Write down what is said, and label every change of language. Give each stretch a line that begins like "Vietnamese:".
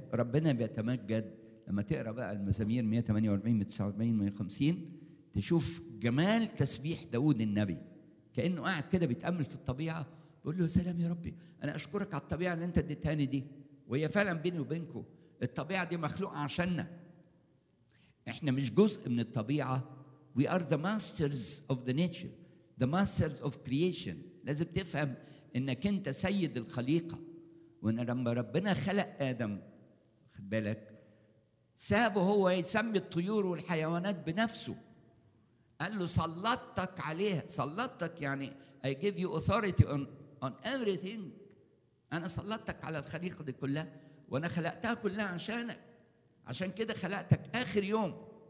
Arabic: ربنا بيتمجد لما تقرأ بقى المزامير 148 و149 و150 تشوف جمال تسبيح داود النبي كأنه قاعد كده بيتأمل في الطبيعة، بيقول له سلام يا ربي أنا أشكرك على الطبيعة اللي أنت اديتاني دي. وهي فعلا بيني وبينكم الطبيعة دي مخلوقة عشاننا، إحنا مش جزء من الطبيعة.
English: We are the masters of the nature, the masters of creation.
Arabic: لازم تفهم إنك أنت سيد الخليقة، وإن لما ربنا خلق آدم خد بالك سابه هو يسمي الطيور والحيوانات بنفسه، قال له سلطتك عليها، سلطتك يعني
English: I give you authority on everything،
Arabic: أنا سلطتك على الخليقة دي كلها وأنا خلقتها كلها عشانك، عشان كده خلقتك آخر يوم